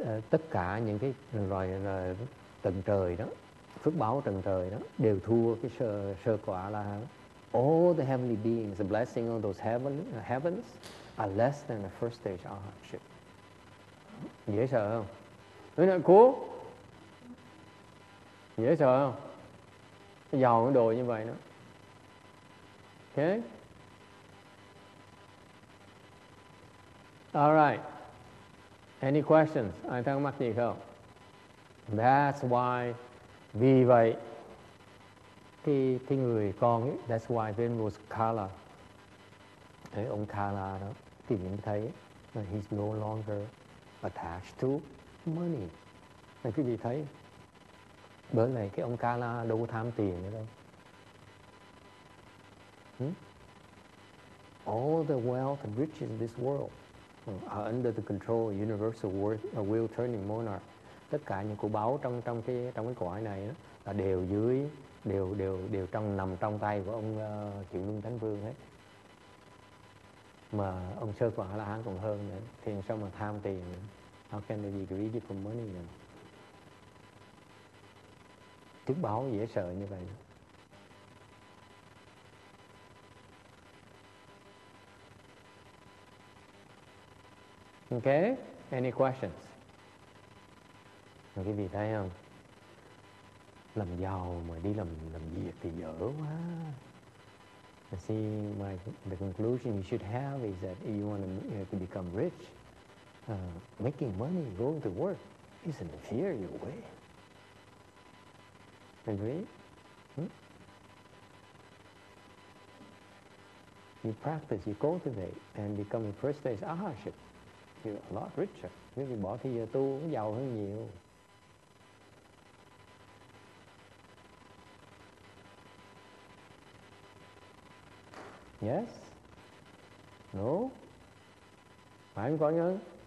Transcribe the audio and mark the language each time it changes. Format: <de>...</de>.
<vi>Tất cả những cái loài tầng trời đó, phước báo tầng trời đó đều thua cái sơ quả la hán.</vi> <en>All the heavenly beings, the blessing on those heavens, are less than the first stage arhatship.</en> <vi>Dễ sợ không?</vi> <en>Isn't that cool?</en> <vi>Dễ sợ không? Giàu cái đồ như vậy nữa.</vi> <en>Okay. All right. Any questions?</en> <vi>Ai thắc mắc gì không?</vi> <en>That's why,</en> <vi>vì vậy, cái người con ấy,</vi> <en>that's why Venerable Kala,</en> <vi>ông Kala đó, thì mình thấy</vi> <en>he's no longer attached to money.</en> <vi>Nên quý vị thấy bữa này cái ông Kala đâu có tham tiền nữa đâu.</vi> <en>All the wealth and riches in this world are under the control of universal will turning monarch.</en> <vi>Tất cả những của báu trong trong cái cõi này đó, là đều dưới đều trong nằm trong tay của ông Triệu Luân Thánh Vương hết. Mà ông Sơ Quả là hắn còn hơn nữa, thì sao mà tham tiền nữa?</vi> <en>How can they be greedy for money nữa?</en> <vi>Tức báo dễ sợ như vậy.</vi> <en>Okay, any questions?</en> <vi>Quý vị thấy không? Làm giàu mà đi làm việc thì dở quá.</vi> <en>See, the conclusion you should have is that if you want to become rich, making money, going to work, is an inferior way. Agree? You practice, you cultivate, and become the first stage ahaship. You're a lot richer.</en> <vi>Nếu bỏ thì giờ tu cũng giàu hơn nhiều.</vi> <en>Yes? No?</en> <vi>Phải không có nhớ?</vi>